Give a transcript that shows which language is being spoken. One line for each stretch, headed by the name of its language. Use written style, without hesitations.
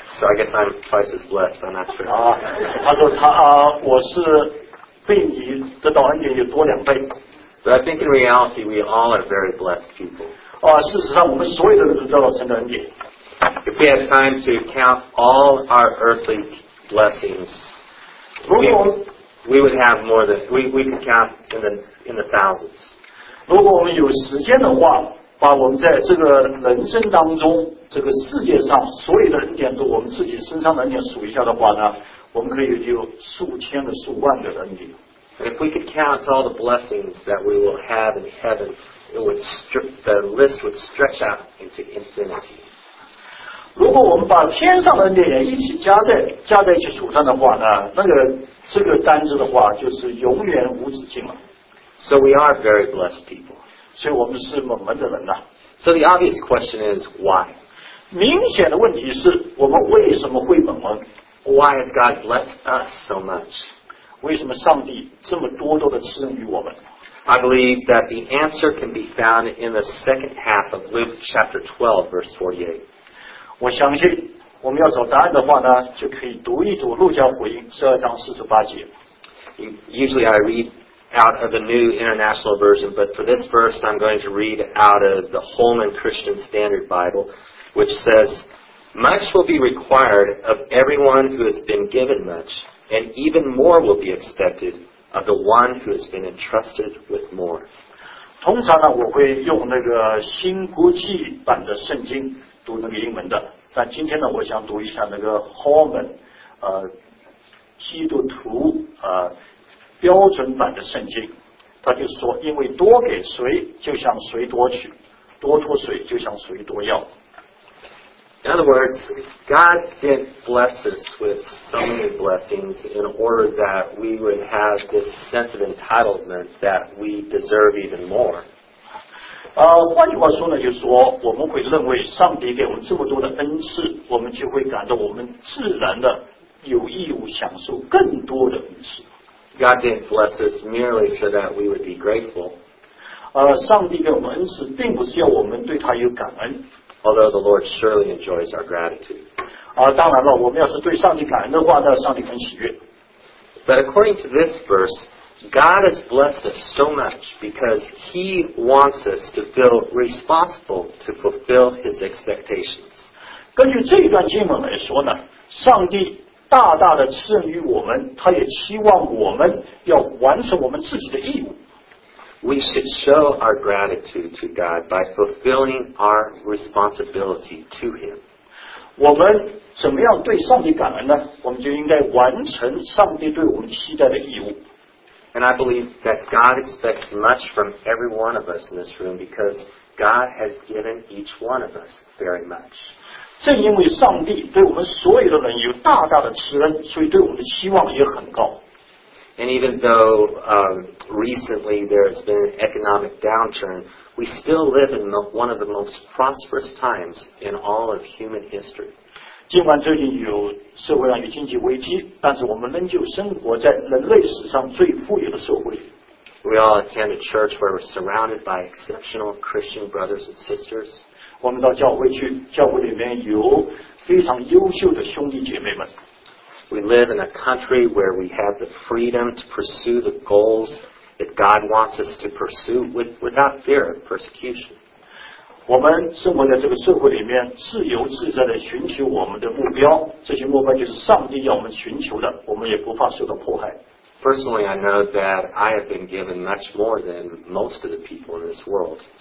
English: So I guess I'm twice as blessed, I'm not sure.
Chinese: 他说他我是被你得到恩典有多两倍。
English: But I think in reality, we all are very blessed people.
Chinese: 事实上我们所有的人都得到神的恩典。
English: If we have time to count all our earthly blessings, we could count in the thousands.
Chinese: 如果我们有时间的话，把我们在这个人生当中这个世界上所有的恩典都我们自己身上的恩典数一下的话呢我们可以有数千个数万个恩典。
English: If we could count all the blessings that we will have in heaven, it would the list would stretch out into infinity.
Chinese: 如果我们把天上的恩典也一起加在一起数上的话呢，那个这个单子的话就是永远无止境了。
English: So we are very blessed people.
Chinese: 所以我们是蒙恩的人呐。
English: So the obvious question is why?
Chinese: 明显的问题是我们为什么会蒙恩
English: ？Why has God blessed us so much?
Chinese: 为什么上帝这么多多的赐恩于我们
English: ？I believe that the answer can be found in the second half of Luke chapter 12, verse 48.
Chinese: 我相信我们要找答案的话呢，就可以读一读路加福音十二章四十八节。
English: Usually I read out of the New International Version, but for this verse I'm going to read out of the Holman Christian Standard Bible, which says, "Much will be required of everyone who has been given much." And even more will be expected of the one who has been entrusted with more.
Chinese: 通常呢，我会用那个新国际版的圣经读那个英文的。但今天呢，我想读一下那个 Holman 基督徒标准版的圣经。他就说，因为多给谁，就像谁多取；多托谁，就像谁多要。
English: In other words, God didn't bless us with so many blessings in order that we would have this sense of entitlement that we deserve even more.
Chinese: 换句话说呢，就是说我们会认为上帝给我们这么多的恩赐，我们就会感到我们自然的有义务享受更多的恩赐。
English: God didn't bless us merely so that we would be grateful.
Chinese: 上帝给我们恩赐，并不是要我们对他有感恩。
English: Although the Lord surely enjoys our gratitude.
Chinese: 当然了，我们要是对上帝感恩的话，那上帝很喜悦。
English: But according to this verse, God has blessed us so much because He wants us to feel responsible to fulfill His expectations.
Chinese: 根据这一段经文来说呢，上帝大大的赐恩于我们，他也期望我们要完成我们自己的义务。
English: We should show our gratitude to God by fulfilling our responsibility to Him.
Chinese: 我们怎么样对上帝感恩呢？我们就应该完成上帝对我们期待的义务。
English: And I believe that God expects much from every one of us in this room because God has given each one of us very much.
Chinese: 正因为上帝对我们所有的人有大大的慈恩，所以对我们的期望也很高。
English: And even though recently there has been an economic downturn, we still live in one of the most prosperous times in all of human history.
Chinese: 尽管最近有社会上有经济危机，但是我们仍旧生活在人类史上最富有的社会。
English: We all attend a church where we're surrounded by exceptional Christian brothers and sisters.
Chinese: 我们到教会去，教会里面有非常优秀的兄弟姐妹们。
English: We live in a country where we have the freedom to pursue the goals that God wants us to pursue without fear of persecution.
Chinese: 我们生活在这个社会里面，自由自在地寻求我们的目标，这些目标就是上帝要我们寻求的，我们也不怕受到迫害。
English: Personally, I know that I have been given much more than most of the people in this world.